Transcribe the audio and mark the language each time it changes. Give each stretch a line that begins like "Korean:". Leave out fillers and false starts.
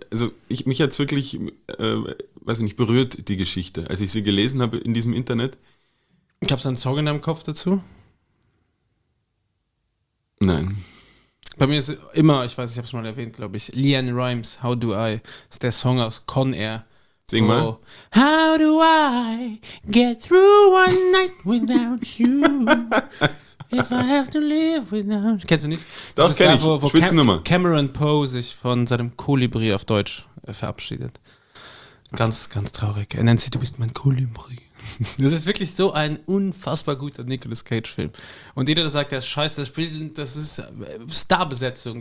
German: Also, mich hat es wirklich, weiß ich nicht, berührt, die Geschichte, als ich sie gelesen habe in diesem Internet. Gab es einen Song in deinem Kopf dazu? Nein. Bei mir ist immer, ich weiß, ich habe es mal erwähnt, glaube ich, Leanne Rimes, How Do I, ist der Song aus Con Air. Sing mal.
English: How do I get through one night without you? If I have to live without you.
German: Kennst du nicht? Doch, kenn ich. Spitzennummer. Cameron Poe sich von seinem Kolibri auf Deutsch verabschiedet. Ganz, ganz traurig. Er nennt sich, du bist mein Kolibri. Das ist wirklich so ein unfassbar guter Nicolas Cage-Film. Und jeder, der sagt, der ist scheiße, das ist Starbesetzung.